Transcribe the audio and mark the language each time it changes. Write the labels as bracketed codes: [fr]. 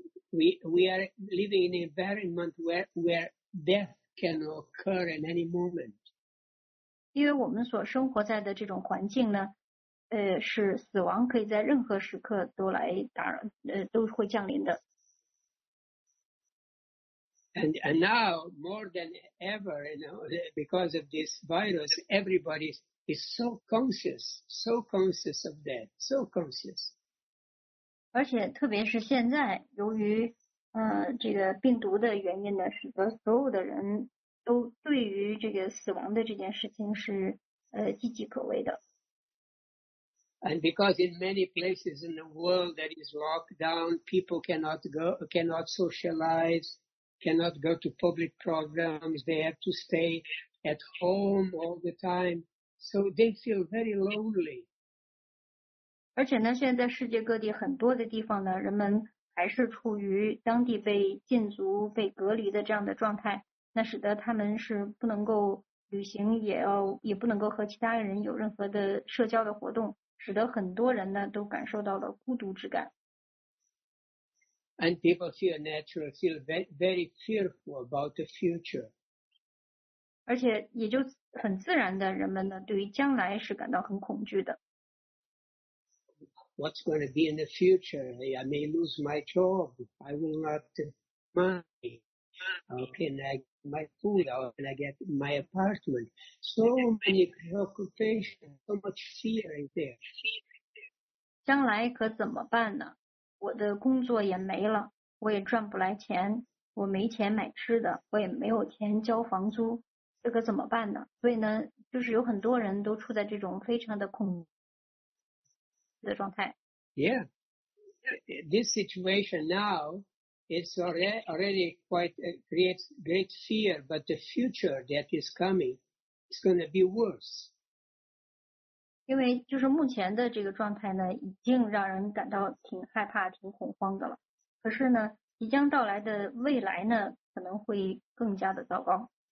[en] We are living in an environment where death can occur at any moment. [zh] 因为我们所生活在的这种环境呢，是死亡可以在任何时刻都来打扰，都会降临的。 [en] And now, more than ever, you know, because of this virus, everybody is so conscious of death, so conscious. [zh] 而且特别是现在，由于这个病毒的原因呢，使得所有的人都对于这个死亡的这件事情是岌岌可危的。 [en] And because in many places in the world that is locked down, people cannot socialize. Cannot go to public programs. They have to stay at home all the time, so they feel very lonely. [zh] 而且呢，现在在世界各地很多的地方呢，人们还是处于当地被禁足、被隔离的这样的状态，那使得他们是不能够旅行，也不能够和其他人有任何的社交的活动，使得很多人呢都感受到了孤独之感。 [en] And people feel very fearful about the future. [zh] 而且也就很自然的，人们呢对于将来是感到很恐惧的。 [en] what's going to be in the future. I may lose my job. I will not money. How can I get my food? How can I get my apartment? So many preoccupations, so much fear is there. [zh] 将来可怎么办呢？我的工作也没了，我也赚不来钱，我没钱买吃的，我也没有钱交房租，这个怎么办呢？所以呢，就是有很多人都处在这种非常的恐惧的状态。 [en] Yeah, this situation now is already quite creates great fear, but the future that is coming is going to be worse. [zh] 因为就是目前的这个状态呢已经让人感到挺害怕挺恐慌的了。可是呢即将到来的未来呢可能会更加的糟糕。